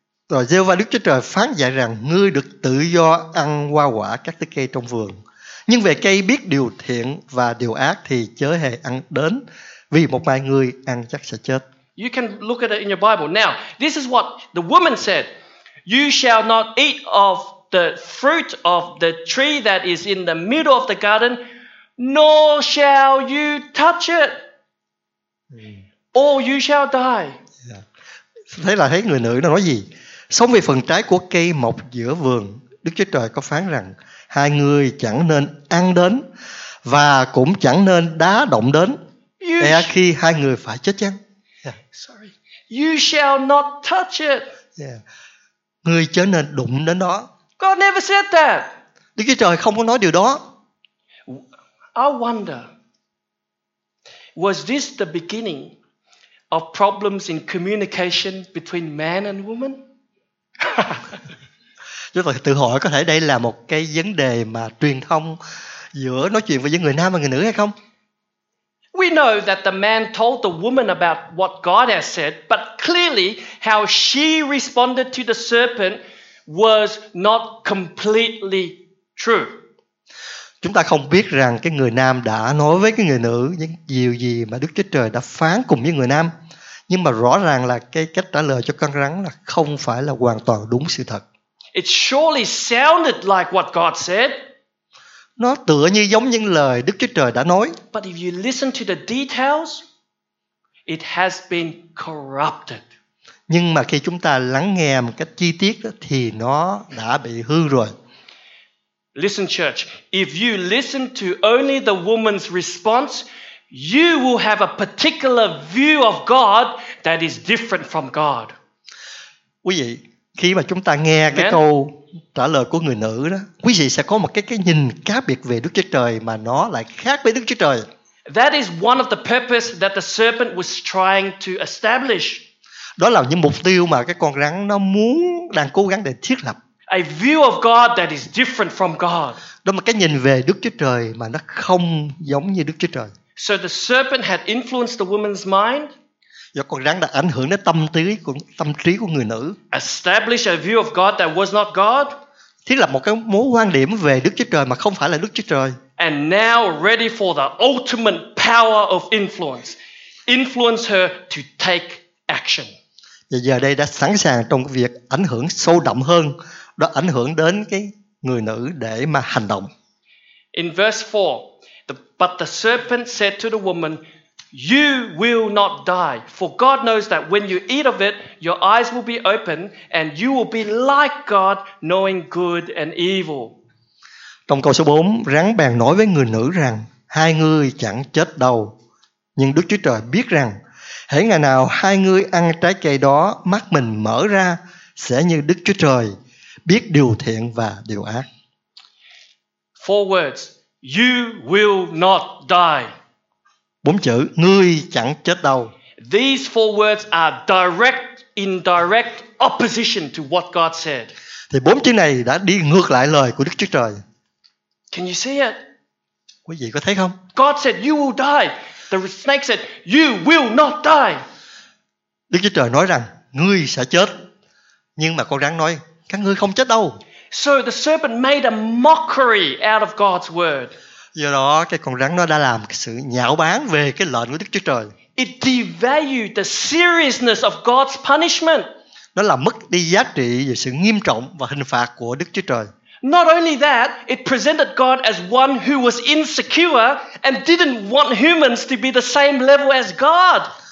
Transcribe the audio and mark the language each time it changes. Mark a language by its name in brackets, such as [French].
[Vietnamese] Rồi Giê-hô-va Đức Chúa Trời phán dạy rằng ngươi được tự do ăn hoa quả các thứ cây trong vườn. Nhưng về cây biết điều thiện và điều ác thì chớ hề ăn đến, vì một mai ngươi ăn chắc sẽ chết. [English] You can look at it in your Bible. Now, this is what the woman said. You shall not eat of the fruit of the tree that is in the middle of the garden, nor shall you touch it. or you shall die. [Vietnamese] Thế là thấy người nữ nó nói gì? Sống về phần trái của cây mọc giữa vườn, Đức Chúa Trời có phán rằng hai người chẳng nên ăn đến và cũng chẳng nên đá động đến, để khi hai người phải chết chăng? [English] Sorry. You shall not touch it. [Vietnamese] Người chớ nên đụng đến đó. [English] God never said that. [Vietnamese] Đức Chúa Trời không có nói điều đó. [English] I wonder, was this the beginning of problems in communication between man and woman? [Vietnamese] Chúng ta tự hỏi có thể đây là một cái vấn đề mà truyền thông giữa nói chuyện với người nam và người nữ hay không? [English] We know that the man told the woman about what God has said, but clearly how she responded to the serpent was not completely true. [Vietnamese] Chúng ta không biết rằng cái người nam đã nói với cái người nữ những điều gì mà Đức Chúa Trời đã phán cùng với người nam. Nhưng mà rõ ràng là cái cách trả lời cho con rắn là không phải là hoàn toàn đúng sự thật. [English] It surely sounded like what God said. [Vietnamese] Nó tựa như giống những lời Đức Chúa Trời đã nói. [English] But if you listen to the details, it has been corrupted. [Vietnamese] Nhưng mà khi chúng ta lắng nghe một cách chi tiết đó, thì nó đã bị hư rồi. [English] Listen, church, if you listen to only the woman's response, you will have a particular view of God that is different from God. [Vietnamese] Quý vị, khi mà chúng ta nghe cái Amen. Câu trả lời của người nữ đó, quý vị sẽ có một cái nhìn cá biệt về Đức Chúa Trời mà nó lại khác với Đức Chúa Trời. [English] That is one of the purpose that the serpent was trying to establish. [Vietnamese] Đó là những mục tiêu mà cái con rắn nó muốn đang cố gắng để thiết lập. [English] A view of God that is different from God. [Vietnamese] Đó là cái nhìn về Đức Chúa Trời mà nó không giống như Đức Chúa Trời. [English] So the serpent had influenced the woman's mind. [Vietnamese] Do con rắn đã ảnh hưởng đến tâm trí của người nữ. [English] Established a view of God that was not God. [Vietnamese] Thiết lập một cái mối quan điểm về Đức Chúa Trời mà không phải là Đức Chúa Trời. [English] And now ready for the ultimate power of influence. Influence her to take action. [Vietnamese] Và giờ đây đã sẵn sàng trong việc ảnh hưởng sâu đậm hơn. Đó ảnh hưởng đến cái người nữ để mà hành động. [English] In verse 4, but the serpent said to the woman, you will not die, for God knows that when you eat of it, your eyes will be open, and you will be like God, knowing good and evil. [Vietnamese] Trong câu số 4, rắn bèn nói với người nữ rằng, hai ngươi chẳng chết đâu. Nhưng Đức Chúa Trời biết rằng, hễ ngày nào hai ngươi ăn trái cây đó, mắt mình mở ra, sẽ như Đức Chúa Trời, biết điều thiện và điều ác. [English] Four words. You will not die. [Vietnamese] Bốn chữ. Ngươi chẳng chết đâu. [English] These four words are direct, indirect opposition to what God said. [Vietnamese] Thì bốn chữ này đã đi ngược lại lời của Đức Chúa Trời. [English] Can you see it? [Vietnamese] Quý vị có thấy không? [English] God said you will die. The snake said you will not die. [Vietnamese] Đức Chúa Trời nói rằng ngươi sẽ chết. Nhưng mà con rắn nói các ngươi không chết đâu. [English] So the serpent made a mockery out of God's word. [Vietnamese] Do đó cái con rắn nó đã làm cái sự nhạo báng về cái lệnh của Đức Chúa Trời. [English] It devalued the seriousness of God's punishment. [Vietnamese] Nó làm mất đi giá trị về sự nghiêm trọng và hình phạt của Đức Chúa Trời. [English] Not only that, it presented God as one who was insecure and didn't want humans to be the same level as God.